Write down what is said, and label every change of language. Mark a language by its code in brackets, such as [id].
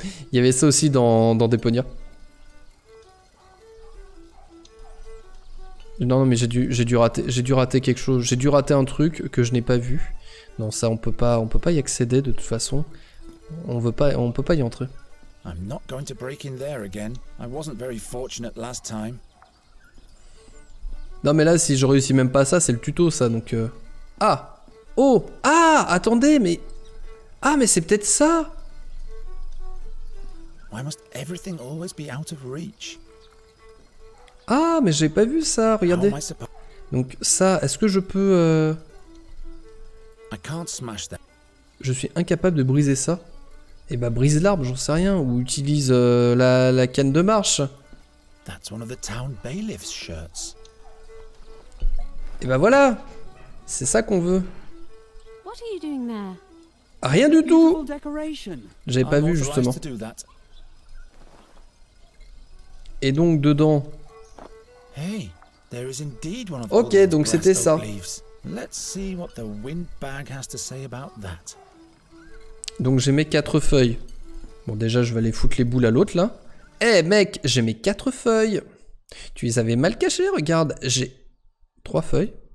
[fr] Il y avait ça aussi dans Deponia. Non, mais j'ai dû rater quelque chose. J'ai dû rater un truc que je n'ai pas vu. Non, ça, on peut pas y accéder de toute façon. On peut pas y entrer. [en] I'm not going to break in there again. I wasn't very fortunate last time. [fr] Non, mais là, si je réussis même pas ça, c'est le tuto, ça. Donc, attendez, mais c'est peut-être ça. [en] Why must everything always be out of reach? [fr] Ah, mais j'ai pas vu ça, regardez. Donc ça, est-ce que je peux... Je suis incapable de briser ça. Eh bah, brise l'arbre, j'en sais rien. Ou utilise la canne de marche. [en] That's one of the town bailiff's shirts. [fr] Et bah voilà. C'est ça qu'on veut. [en] What are you doing there? [fr] Rien du tout. J'avais pas vu, justement. Et donc, dedans... [en] Hey, there is indeed one of those. Okay, [fr] donc c'était ça. [en] Let's see what the windbag has to say about that. [fr] Donc j'ai mes 4 feuilles. Bon, déjà je vais aller foutre les boules à l'autre là. Hey mec, j'ai mes 4 feuilles. Tu les avais mal cachées, regarde, j'ai 3 feuilles.